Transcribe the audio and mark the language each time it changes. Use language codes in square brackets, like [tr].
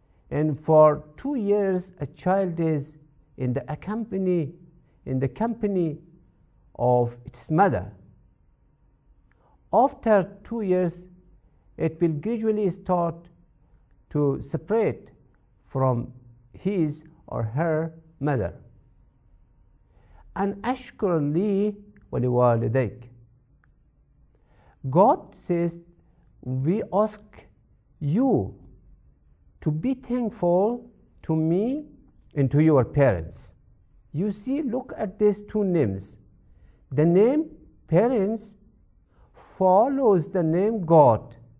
[en] And for 2 years, a child is in the company of its mother. After 2 years, it will gradually start to separate from his or her mother. [ar] And أَشْكُرْ لِي وَلِوَالِدَيْكَ. [en] God says, we ask you to be thankful to me and to your parents. You see, look at these two names. The name parents follows the name God.